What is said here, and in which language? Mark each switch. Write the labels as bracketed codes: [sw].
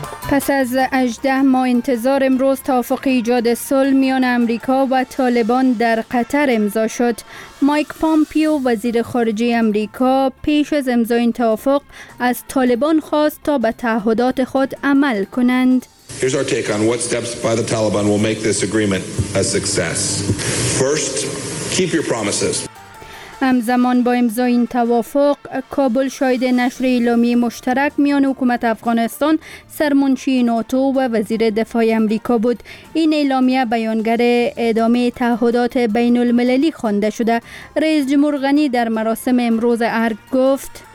[fa] پس از 18 ماه انتظار امروز توافق ایجاد صلح میان آمریکا و طالبان در قطر امضا شد. مایک پامپیو وزیر خارجه آمریکا پیش از امضای این توافق از طالبان خواست تا به تعهدات خود عمل کنند. [en] Here's our take on what steps by the Taliban will make this agreement a success. First, keep your promises. [fa] همزمان با امضای این توافق کابل شاهد نشر اعلامی مشترک میان حکومت افغانستان، سرمنشی ناتو و وزیر دفاع آمریکا بود. این اعلامیه بیانگر ادامه تعهدات بین المللی خوانده شده. رئیس جمهور غنی در مراسم امروز ارگ گفت